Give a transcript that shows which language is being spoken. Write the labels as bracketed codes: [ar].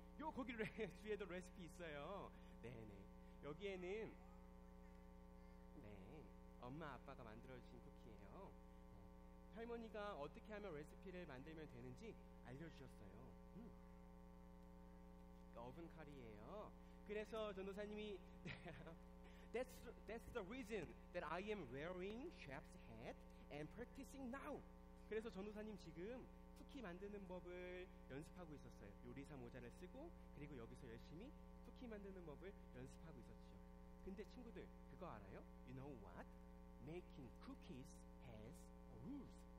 [ko] 요 거기 뒤에도 레시피 있어요. 네네, 여기에는 네 엄마 아빠가 만들어주신 쿠키예요. 할머니가 어떻게 하면 레시피를 만들면 되는지 알려주셨어요. 어븐 칼이에요. 그래서 전도사님이 [en] that's the reason that I am wearing chef's hat and practicing now. [ko] 그래서 전도사님 지금 쿠키 만드는 법을 연습하고 있었어요. 요리사 모자를 쓰고 그리고 여기서 열심히 쿠키 만드는 법을 연습하고 있었죠. 근데 친구들 그거 알아요? [en] You know what? Making cookies has rules.